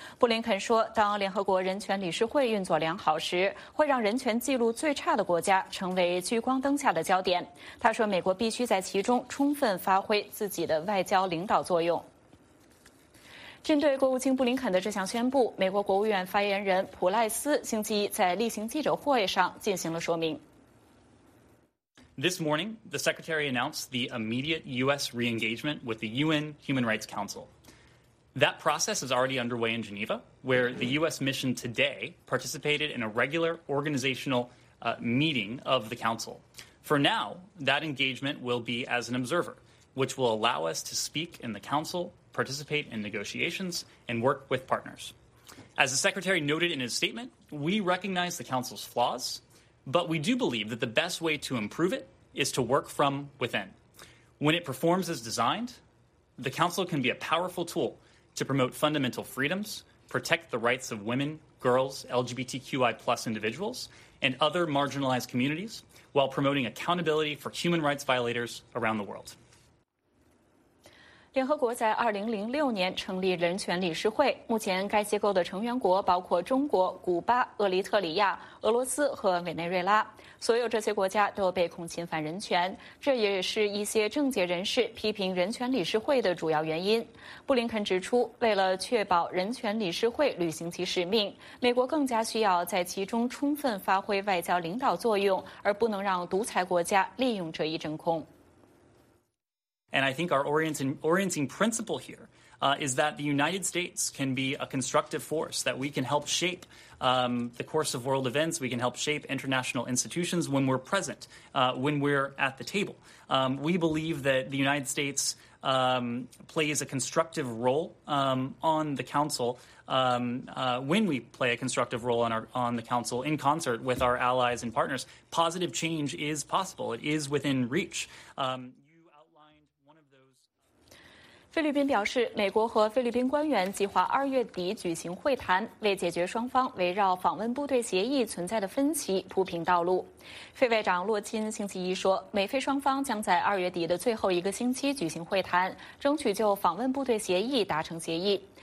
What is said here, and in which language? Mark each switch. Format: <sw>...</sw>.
<zh>布林肯说，当联合国人权理事会运作良好时，会让人权记录最差的国家成为聚光灯下的焦点。他说，美国必须在其中充分发挥自己的外交领导作用。针对国务卿布林肯的这项宣布，美国国务院发言人普赖斯星期一在例行记者会上进行了说明。</zh> <en>This morning, the Secretary announced the immediate U.S. re-engagement with the UN Human Rights Council. That process is already underway in Geneva, where the U.S. mission today participated in a regular organizational meeting of the council. For now, that engagement will be as an observer, which will allow us to speak in the council. Participate in negotiations and work with partners. As the Secretary noted in his statement, we recognize the Council's flaws, but we do believe that the best way to improve it is to work from within. When it performs as designed, the Council can be a powerful tool to promote fundamental freedoms, protect the rights of women, girls, LGBTQI plus individuals, and other marginalized communities, while promoting accountability for human rights violators around the world.</en> <zh>联合国在2006年成立人权理事会，目前该机构的成员国包括中国、古巴、厄立特里亚、俄罗斯和委内瑞拉，所有这些国家都被控侵犯人权，这也是一些政界人士批评人权理事会的主要原因。布林肯指出，为了确保人权理事会履行其使命，美国更加需要在其中充分发挥外交领导作用，而不能让独裁国家利用这一真空。</zh> <en>And I think our orienting principle here, is that the United States can be a constructive force, that we can help shape, the course of world events. We can help shape international institutions when we're present, when we're at the table. We believe that the United States, plays a constructive role, on the council, when we play a constructive role on the council in concert with our allies and partners, positive change is possible. It is within reach.</en> <zh>菲律宾表示，美国和菲律宾官员计划二月底举行会谈，为解决双方围绕访问部队协议存在的分歧铺平道路。菲外长洛钦星期一说，美菲双方将在二月底的最后一个星期举行会谈，争取就访问部队协议达成协议。</zh>